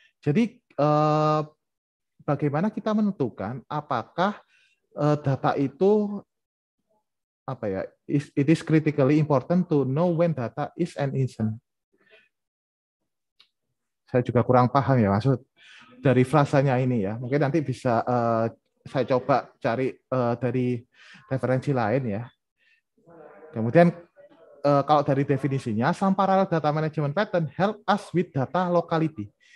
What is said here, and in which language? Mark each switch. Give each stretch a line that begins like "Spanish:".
Indonesian: Jadi bagaimana kita menentukan apakah data itu apa ya?
English: It is critically important to know when data is and isn't.
Indonesian: Saya juga kurang paham ya maksud dari frasanya ini ya. Mungkin nanti bisa saya coba cari dari referensi lain ya. Kemudian kalau dari definisinya,
English: some parallel data management pattern help us with data locality.